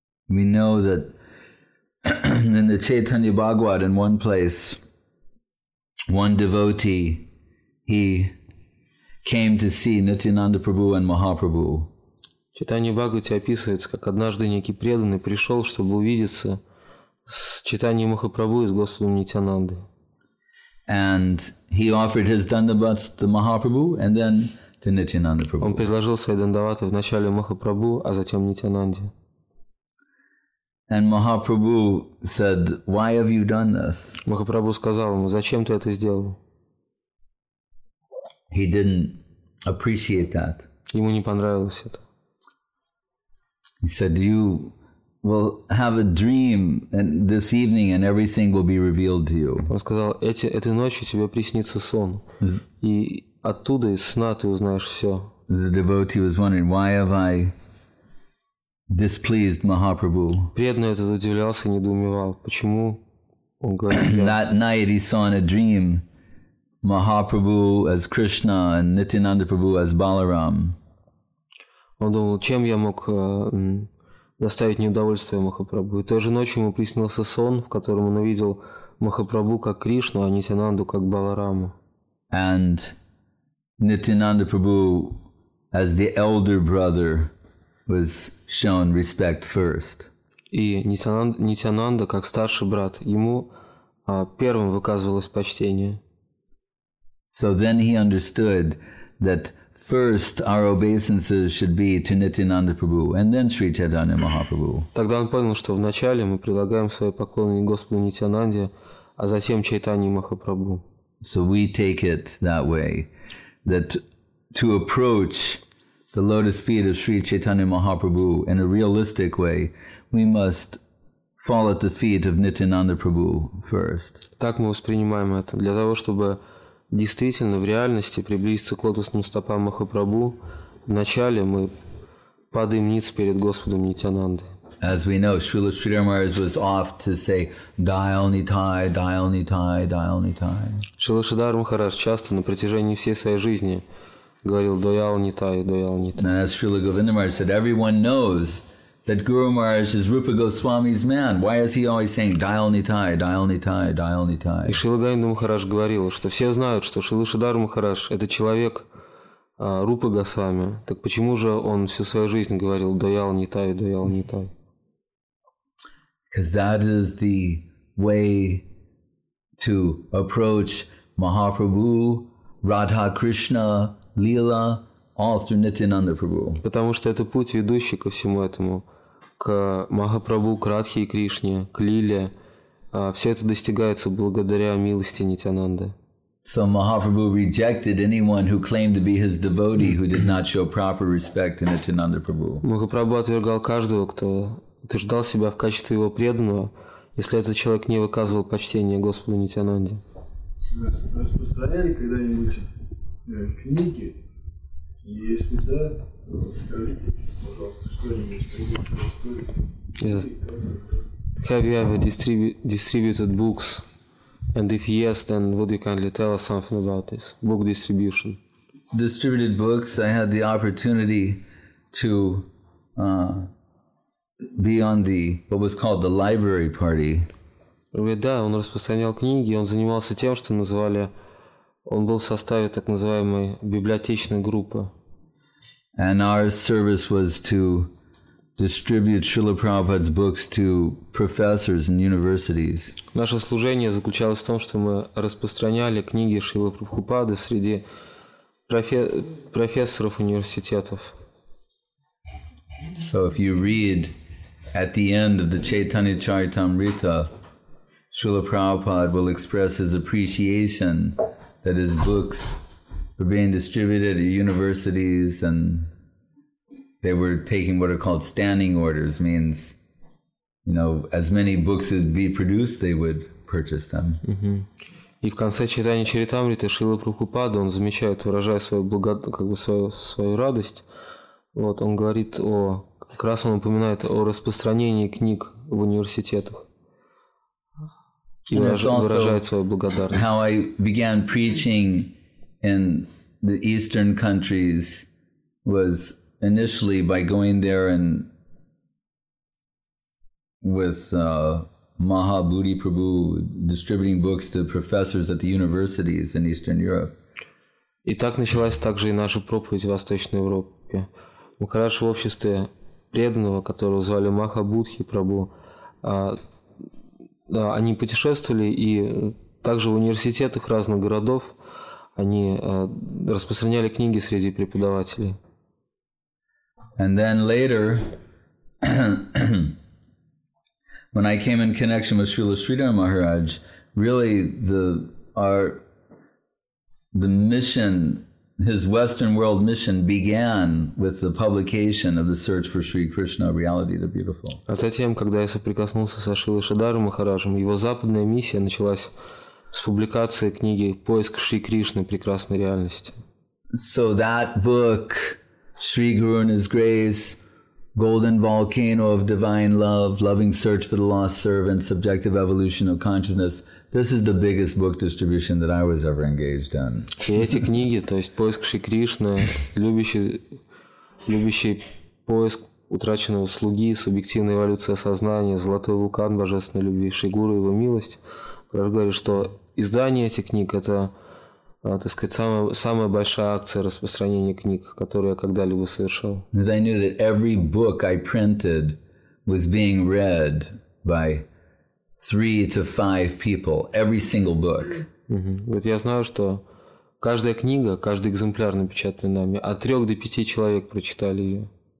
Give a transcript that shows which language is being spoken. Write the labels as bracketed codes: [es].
[en] We know that in the Chaitanya Bhagavad in one place, one devotee, he came to see Nityananda Prabhu and Mahaprabhu. [ru] Chaitanya Bhagavati описывается, как однажды некий преданный пришел, чтобы увидеться с Chaitanya Mahaprabhu и с Господом Нитянанды. [en] And he offered his dandavats to Mahaprabhu and then to Nityananda Prabhu. [ru] Он предложил свои дандаваты вначале Махапрабху, а затем Нитянанде. [en] And Mahaprabhu said, "Why have you done this?" [ru] Махапрабху сказал ему, зачем ты это сделал? [en] He didn't appreciate that. [ru] Ему не понравилось это. [en] He said, "You will have a dream and this evening, and everything will be revealed to you." [ru] Он сказал, этой ночью тебе приснится сон, и оттуда из сна ты узнаешь все. [en] The devotee was wondering, "Why have I?" Displeased Mahaprabhu. [ru] Преданный этот удивлялся и недоумевал, почему он говорит. [en] That night he saw in a dream Mahaprabhu as Krishna and Nityananda Prabhu as Balaram. [ru] Он думал, чем я мог доставить неудовольствие Махапрабху. И той же ночью ему приснился сон, в котором он увидел Махапрабху как Кришну, а Нитянанду как Баларама. [en] And Nityananda Prabhu as the elder brother was shown respect first. [ru] И Нитянанда, как старший брат, ему первым выказывалось почтение. [en] So then he understood that first our obeisances should be to Nityananda Prabhu and then Sri Chaitanya Mahaprabhu. [ru] Тогда он понял, что вначале мы прилагаем свои поклоны Господу Нитянанде, а затем Чайтанье Махапрабху. [en] So we take it that way, that to approach the lotus feet of Sri Chaitanya Mahaprabhu in a realistic way, we must fall at the feet of Nityananda Prabhu first. [ru] Так мы воспринимаем это. Для того, чтобы действительно в реальности приблизиться к лотосным стопам Махапрабху, вначале мы падаем ниц перед Господом Нитянанды. [en] As we know, Srila Sridhar Maharaj was off to say, "Dial Nitai, Dial Nitai, Dial Nitai." [ru] Srila Sridhar Maharaj часто на протяжении всей своей жизни говорил, "Доял не тай, доял не тай." [en] And as Srila Govinda Maharaj said, everyone knows that Guru Maharaj is Rupa Goswami's man. Why is he always saying Dial Nitai, Dial Nitai, Dial Nitai? [ru] И Шрила Говинда Махарадж говорил, что все знают, что Шрила Шридхар Махарадж это человек Рупы Госвами. Так почему же он всю свою жизнь говорил Dial Nitai, Dial Nitai? [en] Because that is the way to approach Mahaprabhu, Radha Krishna, Leela, all through Nityananda Prabhu. [ru] Потому что это путь, ведущий ко всему этому, к Махапрабху, к Радхе и Кришне, к Лиле. Все это достигается благодаря милости Нитянанды. [en] So Mahaprabhu rejected anyone who claimed to be his devotee who did not show proper respect to Nityananda Prabhu. [ru] Махапрабху отвергал каждого, кто утверждал себя в качестве его преданного, если этот человек не выказывал почтение Господу Нитянанде. Распространяли когда-нибудь книги? Если да, скажите, пожалуйста, что-нибудь. [en] Have you ever distributed books? And if yes, then would you kindly tell us something about this book distribution? Distributed books. I had the opportunity to be on the what was called the library party. [ru] Да, он распространял книги, он занимался тем, что называли, он был в составе так называемой библиотечной группы. [en] And our service was to distribute Srila Prabhupada's books to professors in universities. [ru] Наше служение заключалось в том, что мы распространяли книги Шрилы Прабхупады среди профессоров университетов. [en] So if you read at the end of the Chaitanya Charitamrita, Srila Prabhupada will express his appreciation that his books were being distributed at universities and they were taking what are called standing orders, means, you know, as many books as be produced, they would purchase them. Mm-hmm. [ru] И в конце читания Чаритамриты Шрила Прабхупада, он замечает, выражая свою свою радость, вот, он говорит о, как раз он упоминает о распространении книг в университетах. И выражает свою благодарность. [en] How I began preaching in the eastern countries was initially by going there and with Mahabodhi Prabhu distributing books to professors at the universities in Eastern Europe. [ru] И так началась также и наша проповедь в Восточной Европе. Мы хорошо в обществе преданного, которого звали Махабудхи Прабу. Да, они путешествовали и также в университетах разных городов они распространяли книги среди преподавателей. [en] And then later, when I came in connection with Srila Sridhar Maharaj, really the mission, his Western world mission began with the publication of the Search for Sri Krishna, Reality the Beautiful. [ru] А затем, когда я соприкоснулся со Шрилой Шридхаром Махараджем, его западная миссия началась с публикации книги «Поиск Шри Кришны. Прекрасной реальности». [en] So that book, Sri Guru and His Grace, Golden Volcano of Divine Love, Loving Search for the Lost Servant, Subjective Evolution of Consciousness. This is the biggest book distribution that I was ever engaged in. [ru] И эти книги, то есть «Поиск Шри Кришны», «Любящий поиск утраченного слуги», «Субъективная эволюция сознания», «Золотой вулкан божественной любви», «Шри Гуру и его милость». Я говорю, что издание этих книг – это, так сказать, самая большая акция распространения книг, которую я когда-либо совершал. [en] And I knew that every book I printed was being read by 3 to 5 people, every single book. [ru] Вот я знаю, что каждая книга, каждый экземпляр, напечатанный нами, от 3 до 5 человек прочитали ее.